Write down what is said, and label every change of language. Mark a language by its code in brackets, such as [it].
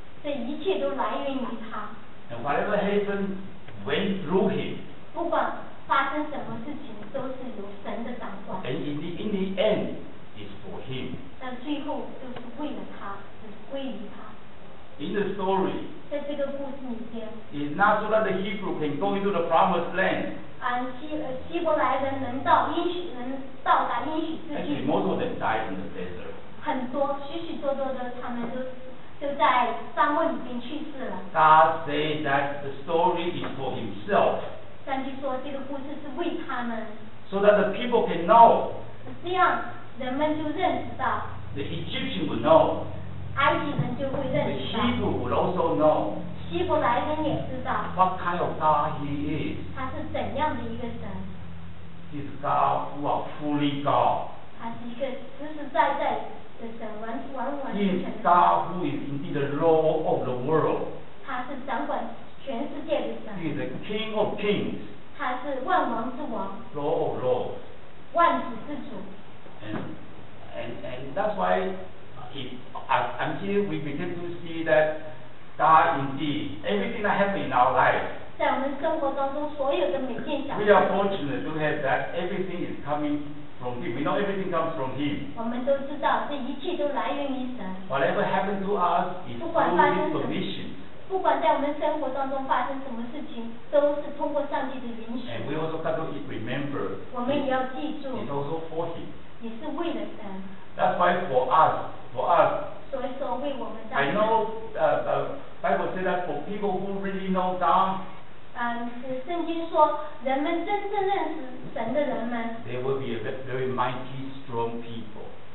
[zh] 这一切都来源于他。 [en] And whatever happened went through Him. [zh] 不管发生什么事情，都是由神的掌管。 [en] And in the end, is for Him. [zh] 但最后就是为了他，只归于他。 [en] In the story. [zh] 在这个故事里边。 [en] It's not so that the Hebrew can go into the promised land. [zh] 希伯来人能到应许，能到达应许之地。 [en] Actually, most of them died in the desert. [zh] 很多，许许多多的，他们都在沙漠里边去世了。 [en] God said that the story is for Himself. [zh] 上帝说这个故事是为他们。 [en] So that the people can know. [zh] 这样人们就认识到。 [en] The Egyptians will know. [zh] 埃及人就会认识到。 [en] The Hebrew will also know. [zh] 希伯来人也知道。 [en] What kind of God he is? [zh] 他是怎样的一个神 [en] ？He's God who are fully God. [zh] 他是一个实实在在的神，完全全。 [en] He's God who is indeed the Lord of the world. [zh] 他是掌管全世界的神。 [en] He's the King of kings. [zh] 他是万王之王。 [en] Lord of lords. [zh] 万主之主。 [en] And that's why. Until we begin to see that God indeed, everything that happens in our life, [zh] 在我们生活当中所有的每件小事 [en] we are fortunate to have that everything is coming from Him. We know everything comes from Him. [zh] 我们都知道这一切都来源于神。 [en] Whatever happened to us is through His permission. [zh] 不管在我们生活当中发生什么事情，都是通过上帝的允许。 [en] And we also got to remember, [zh] 我们也要记住 [en] it's also for Him. [zh] 也是为了神。 [en] That's why for us, [zh] 所以说为我们当 [en] I know the Bible says that for people who really know God, [zh] 圣经说人们真正认识神的人们 [en] they will be a very mighty strong people.